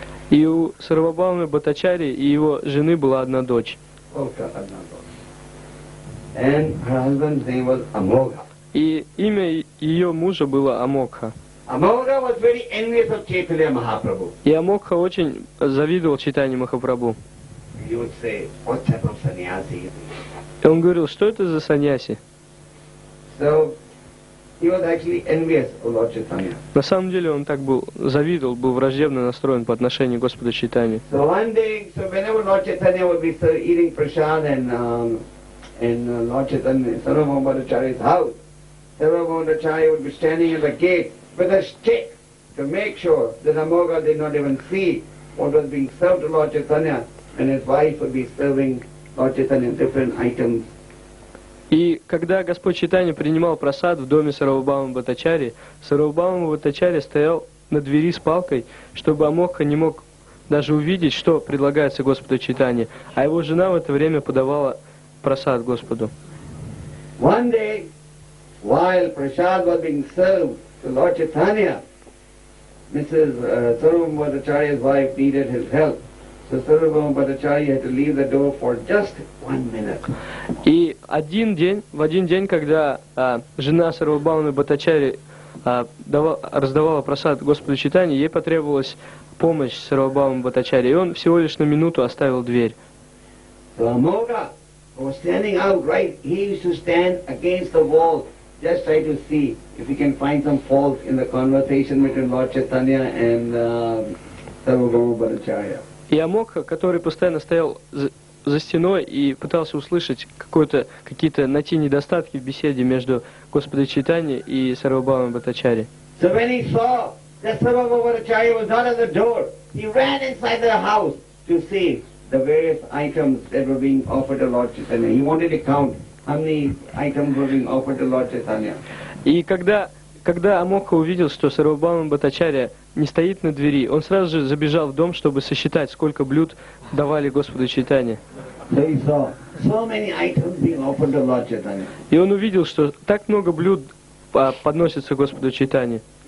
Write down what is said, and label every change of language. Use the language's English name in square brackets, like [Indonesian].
[Russian] И у Сарвабхаумы Бхаттачарьи и его жены была одна дочь. [English] And her husband's name was Amogha. [Russian] И имя ее мужа было Амокха. [English] Amogha was very envious of Chaitanya Mahaprabhu. [Russian] И Амокха очень завидовал Чайтанье Махапрабху. [English] He would say, "What type of sannyasi is this?" [Russian] И он говорил, что это за саньяси? [English] So he was actually envious of Lord Chaitanya. [Russian] На самом деле он так был завидовал, был враждебно настроен по отношению к Господу Чайтанье. [English] So one day, so whenever Lord Chaitanya would be eating prasad and Lord Chaitanya, Sarvabhauma Bhattacharya's house, Sarvabhauma Bhattacharya would be standing at the gate with a stick to make sure that Amogha did not even see what was being served to Lord Chaitanya, and his wife would be serving Lord Chaitanya different items. [Russian] И когда Господь Чайтанья принимал прасад в доме Сарвабхаумы Бхаттачарьи, Сарвабхаумы Бхаттачарьи стоял на двери с палкой, чтобы Амокха не мог даже увидеть, что предлагается Господу Чайтанье, а его жена в это время подавала прасад Господу. [English] One day, while prasad was being served to Lord Chaitanya, Sarvabhauma Bhattacharya's wife needed his help. So Sarvabhauma Bhattacharya had to leave the door for just one minute. [Russian] И в один день, когда жена Сарвабхаумы Бхаттачарьи раздавала прасад Господу Чайтанье, ей потребовалась помощь Сарвабхаумы Бхаттачарьи, и он всего лишь на минуту оставил дверь. [English] Amogha was standing out right. He used to stand against the wall just try to see if we can find some fault in the conversation between Lord Chaitanya and Sarvabhauma Bhattacharya. [Russian] И Амокха, который постоянно стоял за стеной и пытался услышать какие-то найти недостатки в беседе между Господом Чайтаньей и Сарвабхаумой Бхаттачарьей. [English] So when he saw that Sarvabhauma Bhattacharya was not at the door, he ran inside the house to see the various items that were being offered to Lord Chaitanya. He wanted to count how many items were being offered to Lord Chaitanya. [Russian] И когда Амокха увидел, что Сарвабхаумой Бхаттачарья не стоит на двери, он сразу же забежал в дом, чтобы сосчитать, сколько блюд давали Господу Чайтанье. И он увидел, что так много блюд подносится Господу Чайтанье.